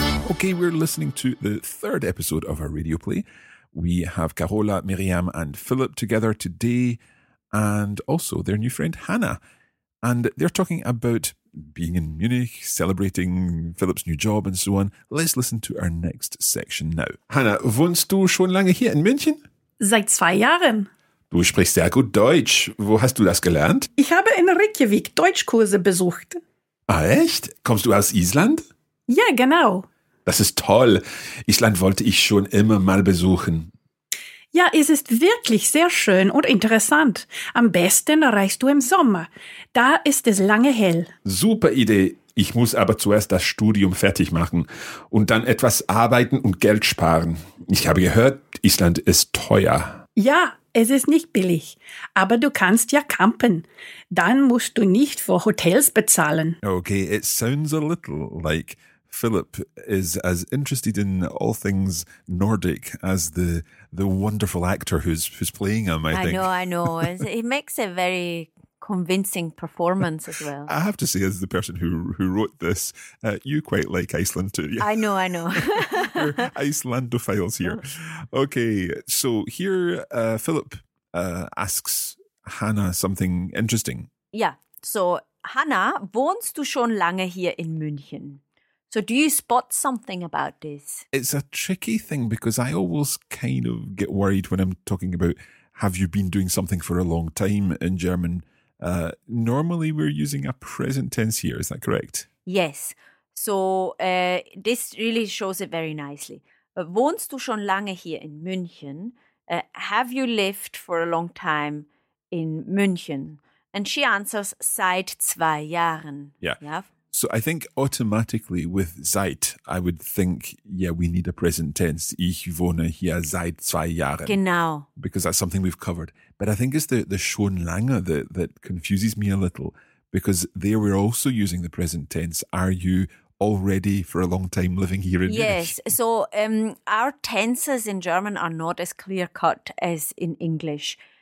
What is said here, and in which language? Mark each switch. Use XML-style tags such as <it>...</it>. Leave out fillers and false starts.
<en>Okay, we're listening to the third episode of our radio play. We have Carola, Miriam and Philip together today, and also their new friend Hannah. And they're talking about being in Munich, celebrating Philip's new job and so on. Let's listen to our next section now.</en> <de>Hannah, wohnst du schon lange hier in München? Seit 2 Jahren. Du sprichst sehr gut Deutsch. Wo hast du das gelernt? Ich habe in Reykjavik Deutschkurse besucht. Ah, echt? Kommst du aus Island? Ja, genau. Das ist toll. Island wollte ich schon immer mal besuchen. Ja, es ist wirklich sehr schön und interessant. Am besten reist du im Sommer. Da ist es lange hell. Super Idee. Ich muss aber zuerst das Studium fertig machen und dann etwas arbeiten und Geld sparen. Ich habe gehört, Island ist teuer. Ja, es ist nicht billig. Aber du kannst ja campen. Dann musst du nicht für Hotels bezahlen.</de> <en>Okay, it sounds a little like Philip is as interested in all things Nordic as the wonderful actor who's playing him, I think. I know. He makes a very convincing performance as well. I have to say, as the person who wrote this, you quite like Iceland too. Yeah. I know. We're Icelandophiles here. Okay, so here Philip asks Hannah something interesting. Yeah, so</en> <de>Hannah, wohnst du schon lange hier in München?</de> <en>So do you spot something about this? It's a tricky thing because I always kind of get worried when I'm talking about have you been doing something for a long time in German. Normally we're using a present tense here, is that correct? Yes. So this really shows it very nicely.</en> <de>Wohnst du schon lange hier in München?</de> <en>Have you lived for a long time in München? And she answers,</en> <de>seit 2 Jahren.</de> <en>Yeah. Yeah. So I think automatically with Zeit, I would think, yeah, we need a present tense.</en> <de>Ich wohne hier seit 2 Jahren. Genau.</de> <en>Because that's something we've covered. But I think it's the schon lange that confuses me a little. Because there we're also using the present tense. Are you already for a long time living here in yes. Munich? Yes. So our tenses in German are not as clear cut as in English.</en>